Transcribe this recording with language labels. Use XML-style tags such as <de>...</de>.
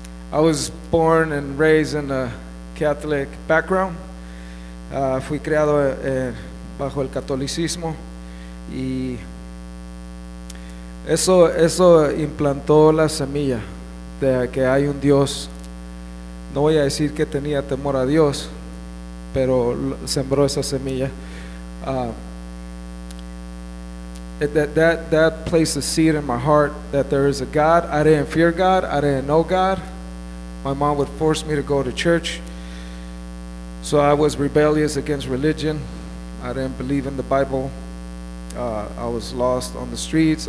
<en>I was born and raised in a Catholic background.</en> <es>Fui criado bajo el catolicismo y eso implantó la semilla de que hay un Dios. No voy a decir que tenía temor a Dios, pero sembró esa semilla.</es> <en>That placed a seed in my heart that there is a God. I didn't fear God. I didn't know God. My mom would force me to go to church. So I was rebellious against religion. I didn't believe in the Bible. I was lost on the streets.</en>